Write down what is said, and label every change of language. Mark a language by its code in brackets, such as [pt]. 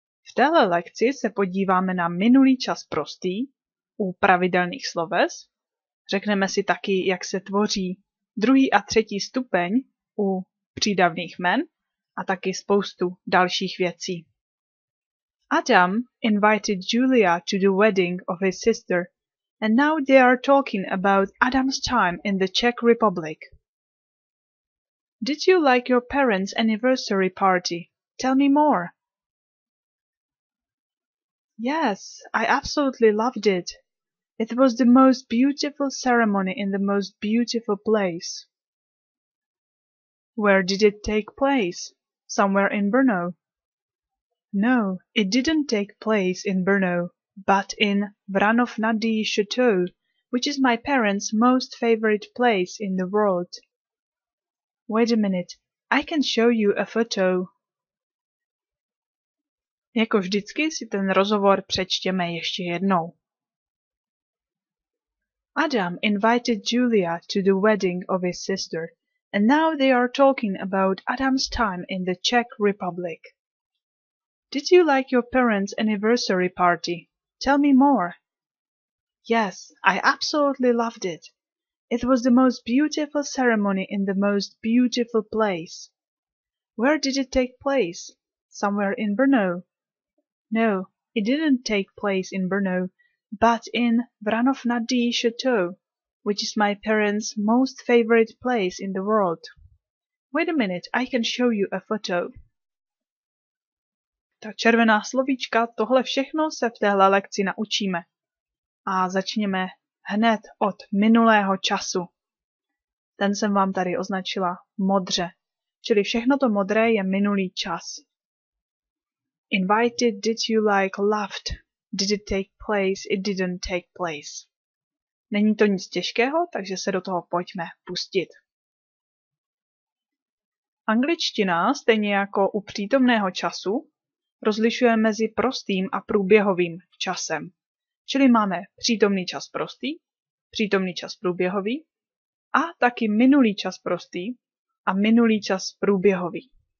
[cs] V téhle lekci se podíváme na minulý čas prostý u pravidelných sloves, řekneme si taky, jak se tvoří druhý a třetí stupeň u přídavných jmen a taky spoustu dalších věcí. [en] Adam invited Julia to the wedding of his sister. And now they are talking about Adam's time in the Czech Republic. Did you like your parents' anniversary party? Tell me more. Yes, I absolutely loved it. It was the most beautiful ceremony in the most beautiful place. Where did it take place? Somewhere in Brno? No, it didn't take place in Brno. But in Vranov nad Jišťovou, which is my parents' most favorite place in the world. Wait a minute, I can show you a photo. [cs] Jako vždycky si ten rozhovor přečtěme ještě jednou. [en] Adam invited Julia to the wedding of his sister, and now they are talking about Adam's time in the Czech Republic. Did you like your parents' anniversary party? Tell me more. Yes, I absolutely loved it. It was the most beautiful ceremony in the most beautiful place. Where did it take place? Somewhere in Brno. No, it didn't take place in Brno, but in Vranov nad Jišťovou, which is my parents' most favorite place in the world. Wait a minute, I can show you a photo. [cs] Ta červená slovíčka, tohle všechno se v téhle lekci naučíme. A začněme hned od minulého času. Ten jsem vám tady označila modře. Čili všechno to modré je minulý čas. [en] Invited, did you like, loved, did it take place, it didn't take place. [cs] Není to nic těžkého, takže se do toho pojďme pustit. Angličtina, stejně jako u přítomného času, rozlišuje mezi prostým a průběhovým časem. Čili máme přítomný čas prostý, přítomný čas průběhový a taky minulý čas prostý a minulý čas průběhový.